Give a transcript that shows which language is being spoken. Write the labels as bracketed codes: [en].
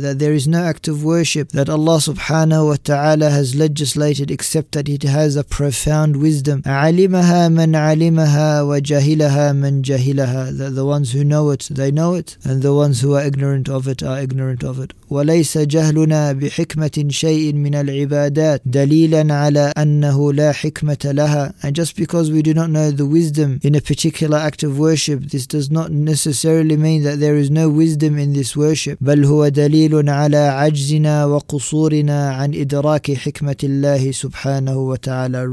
[en] That there is no act of worship that Allah subhanahu wa ta'ala has legislated except that it has a profound wisdom. [ar] عَلِمَهَا مَنْ عَلِمَهَا وَجَهِلَهَا مَنْ جَهِلَهَا. [en] That the ones who know it, they know it, and the ones who are ignorant of it are ignorant of it. [ar] وليس جهلنا بحكمة شيء من العبادات دليلا على أنه لا حكمة لها. [en] And just because we do not know the wisdom in a particular act of worship, this does not necessarily mean that there is no wisdom in this worship. [ar] بل هو دليل على عجزنا وقصورنا عن إدراك حكمة الله سبحانه وتعالى.